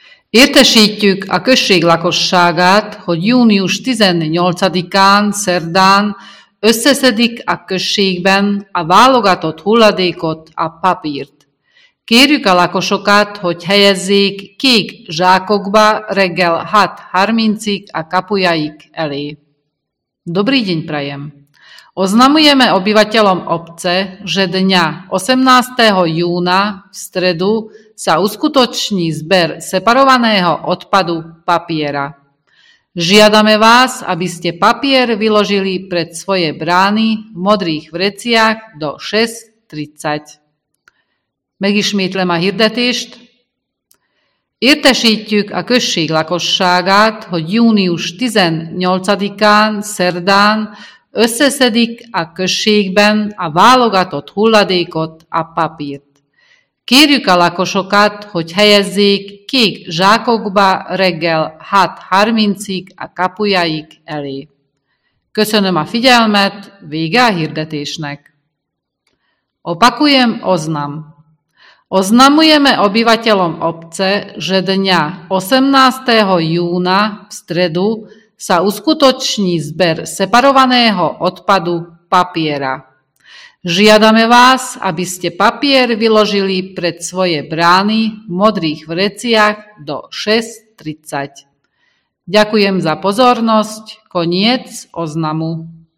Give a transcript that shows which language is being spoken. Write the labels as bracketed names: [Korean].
[Hungarian] Értesítjük a község lakosságát, hogy június 18-án, szerdán összeszedik a községben a válogatott hulladékot, a papírt. Kérjük a lakosokat, hogy helyezzék kék zsákokba reggel 6:30-ig a kapujaik elé. [Slovak] Dobrý deň prajem! Oznamujeme obyvateľom obce, že dňa 18. júna v stredu sa uskutoční zber separovaného odpadu papiera. Žiadame vás, aby ste papier vyložili pred svoje brány v modrých vreciach do 6:30. [Hungarian] Megismétlem a hirdetést. Értesítjük a község lakosságát, hogy június 18-án, szerdán összeszedik a községben a válogatott hulladékot, a papírt. Kérjük a lakosokat, hogy helyezzék kék zsákokba reggel 6:30-ig a kapujaik elé. Köszönöm a figyelmet, vége a hirdetésnek. [Slovak] Opakujem oznam. Oznamujeme obyvateľom obce, že dňa 18. júna v stredu sa uskutoční zber separovaného odpadu papiera. Žiadame vás, aby ste papier vyložili pred svoje brány v modrých vreciach do 6:30. Ďakujem za pozornosť. Koniec oznamu.